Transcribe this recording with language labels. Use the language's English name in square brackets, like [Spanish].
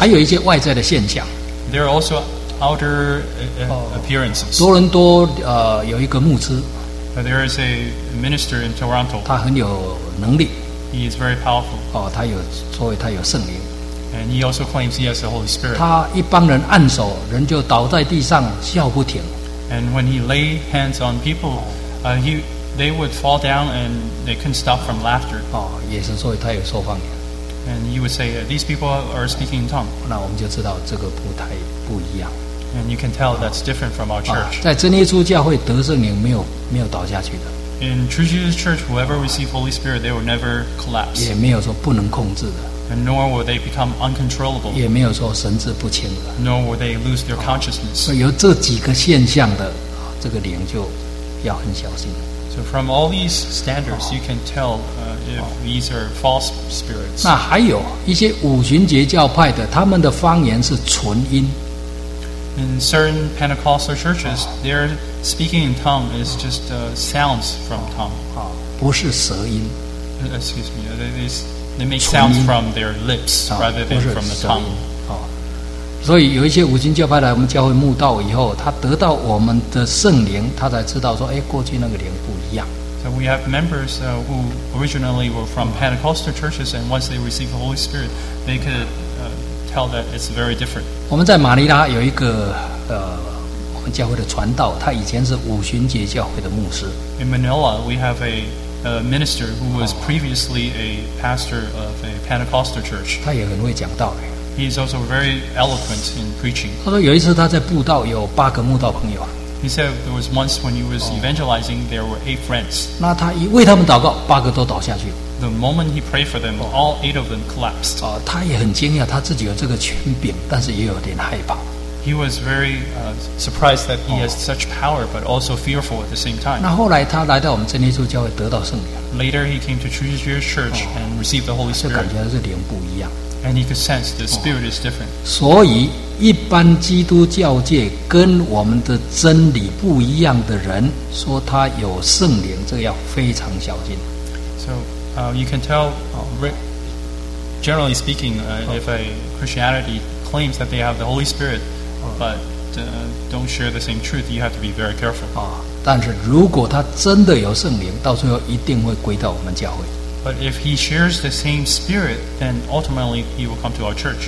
[Chinese] 还有一些外在的现象。 [English] There are also outer appearances. [Chinese] 多伦多, 有一个牧师, [English] there is a minister in Toronto. [Chinese] 他很有能力, [English] he is very powerful. [Chinese] 他有圣灵。 [English] And he also claims he has the Holy Spirit. [Chinese] 他一帮人按手, 人就倒在地上, 笑不停。 [English] And when he laid hands on people, he They would fall down and they couldn't stop from laughter. [Chinese] 哦，也是说他有说方言。 [English] And you would say these people are speaking in tongue. [Chinese] 那我们就知道这个不太不一样。 [English] And you can tell that's different from our church. [Chinese] 在真耶稣教会得圣灵没有倒下去的。 [English] In True Jesus Church, whoever receives Holy Spirit, they will never collapse. [Chinese] 也没有说不能控制的。 [English] And nor will they become uncontrollable. [Chinese] 也没有说神志不清的。 [English] Nor will they lose their consciousness. [Chinese] 所以有这几个现象的，这个灵就要很小心。 [English] So from all these standards, you can tell if these are false spirits. [Chinese] 那还有一些五旬节教派的，他们的方言是纯音。 [English] In certain Pentecostal churches, their speaking in tongue is just sounds from tongue. [Chinese] 不是舌音。 [English] Excuse me, they make sounds from their lips rather than from the tongue. [Chinese] 所以有一些五旬教派来我们教会慕道以后，他得到我们的圣灵，他才知道说，哎，过去那个灵不一样。 [English] So we have members who originally were from Pentecostal churches, and once they received the Holy Spirit, they could tell that it's very different. [Chinese] 我们在马尼拉有一个我们教会的传道，他以前是五旬节教会的牧师。 [English] In Manila, we have a minister who was previously a pastor of a Pentecostal church. [Chinese] 他也很会讲道理。 [English] He is also very eloquent in preaching. [Chinese] 他说有一次他在布道，有八个慕道朋友。 [English] He said there was once when he was evangelizing, there were eight friends. [Chinese] 那他一为他们祷告，八个都倒下去。 [English] The moment he prayed for them, all eight of them collapsed. [Chinese] 他也很惊讶，他自己有这个权柄，但是也有点害怕。 [English] He was very surprised that he has such power, but also fearful at the same time. [Chinese] 那后来他来到我们真耶稣教会，得到圣灵。 [English] Later he came to True Jesus Church and received the Holy Spirit. [Chinese] 就感觉这灵不一样。 [English] And he could sense the spirit is different. [Chinese] 所以一般基督教界跟我们的真理不一样的人说他有圣灵，这个要非常小心。 [English] So you can tell generally speaking if a Christianity claims that they have the Holy Spirit but don't share the same truth, you have to be very careful. [Chinese] 但是如果他真的有圣灵，到最后一定会归到我们教会。 [English] But if he shares the same spirit, then ultimately he will come to our church.